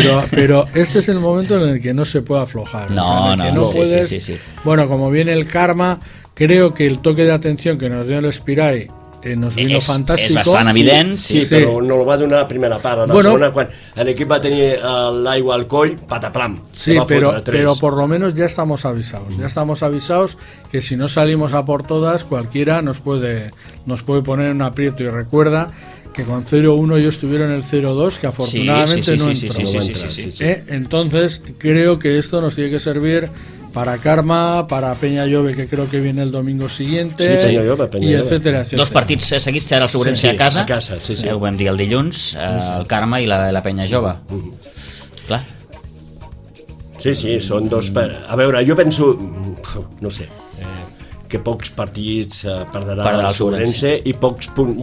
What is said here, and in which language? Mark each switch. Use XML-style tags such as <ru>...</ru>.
<es>Pero este es el momento en el que no se puede aflojar. No puedes. Bueno, como viene el karma, creo que el toque de atención que nos dio el Espirai nos vino fantástico.</es> <ca>Es bastant evident, sí. Però no lo va donar a primera part. La segona, quan l'equip va tenir l'aigua al coll, pataplam.</ca> <es>Sí, però por lo menos ya estamos avisados. Ya estamos avisados que si no salimos a por todas, cualquiera nos puede poner en un aprieto. Y recuerda que con 0-1 ellos tuvieron el 0-2, que afortunadamente no entró. Entonces, creo que esto nos tiene que servir para Karma, para Peña Llove, que creo que viene el domingo siguiente, sí, Peña Llove. Etcétera.</es> <ca>Dos partits seguits, té ara el Sobrense a casa. Ho vam dir el dilluns, el Karma i la Peña Llove. Clar. Sí, són dos... A veure, jo penso, no sé, que pocs partits perdrà el Sobrense i pocs punts.</ca>